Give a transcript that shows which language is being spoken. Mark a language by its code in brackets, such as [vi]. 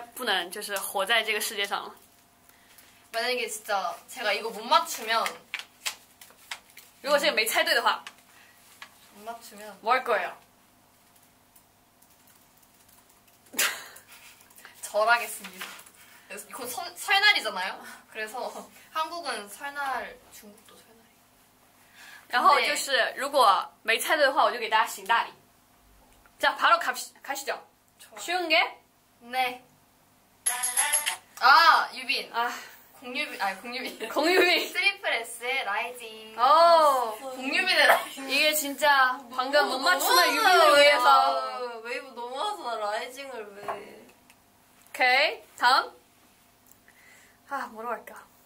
[zh] 공유빈说，如果自己没猜对的话，他觉得应该不能就是活在这个世界上了。 [ko] 만약에 진짜 제가 이거 못 맞추면 이거 제가 [zh] 没 猜对的话 [ko] 못 맞추면 뭐 할 거예요? 절하겠습니다 이거 설날이잖아요? 그래서 한국은 설날, 중국도 설날 [zh] 然后就是如果没 猜对的话 我就给大家行大礼 [ko] 자 바로 가시죠 좋아. 쉬운 게? 네 아 유빈 아. 공유빈 트리플S의 라이징 오 공유빈의 라이징 이게 진짜 방금 못 맞추는 유빈을 위해서 웨이브 너무하잖아 라이징을 왜 오케이 다음 아 뭐로 갈까